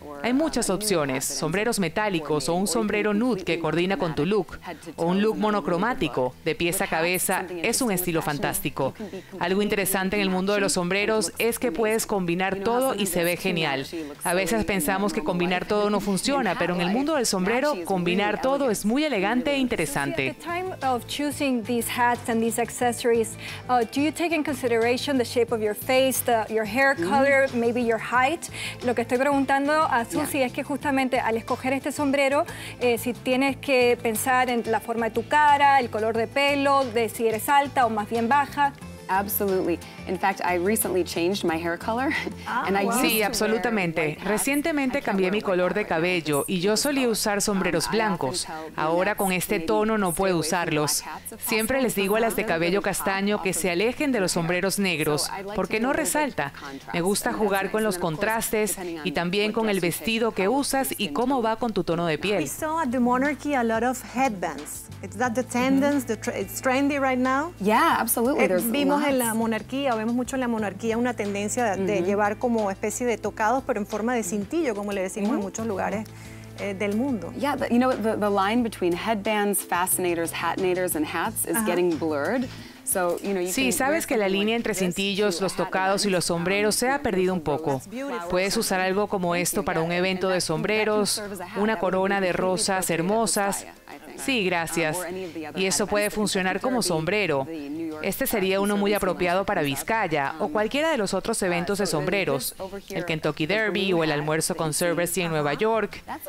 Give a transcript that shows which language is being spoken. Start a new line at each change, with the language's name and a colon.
Spanish: Hay muchas opciones, sombreros metálicos o un sombrero nude que coordina con tu look, o un look monocromático de pies a cabeza, es un estilo fantástico. Algo interesante en el mundo de los sombreros es que puedes combinar todo y se ve genial. A veces pensamos que combinar todo no funciona, pero en el mundo del sombrero, combinar todo es muy elegante e interesante.
English: At the time of choosing these hats and these accessories, do you take in consideration the shape of your face, your hair color, maybe your height?
Spanish: Lo que estoy preguntando Susie, es que justamente al escoger este sombrero, si tienes que pensar en la forma de tu cara, el color de pelo, de si eres alta o más bien baja.
English: Absolutely. In fact, I recently changed my hair color.
Spanish: Sí, absolutamente. Recientemente cambié mi color de cabello y yo solía usar sombreros blancos. Ahora con este tono no puedo usarlos. Siempre les digo a las de cabello castaño que se alejen de los sombreros negros porque no resalta. Me gusta jugar con los contrastes y también con el vestido que usas y cómo va con tu tono de piel.
English: We saw at the monarchy a lot of headbands. Is that the tendency? It's trendy right now? Yeah, absolutely.
Spanish: Vimos en la monarquía, vemos mucho en la monarquía una tendencia de llevar como especie de tocados, pero en forma de cintillo, como le decimos en muchos lugares del mundo.
English: Yeah, but you know, the line between headbands, fascinators, hatinators, and hats is getting blurred.
Spanish: Sí, sabes que la línea entre cintillos, los tocados y los sombreros se ha perdido un poco. Puedes usar algo como esto para un evento de sombreros, una corona de rosas hermosas. Sí, gracias. Y eso puede funcionar como sombrero. Este sería uno muy apropiado para Vizcaya o cualquiera de los otros eventos de sombreros, el Kentucky Derby o el almuerzo con Cerveza en Nueva York.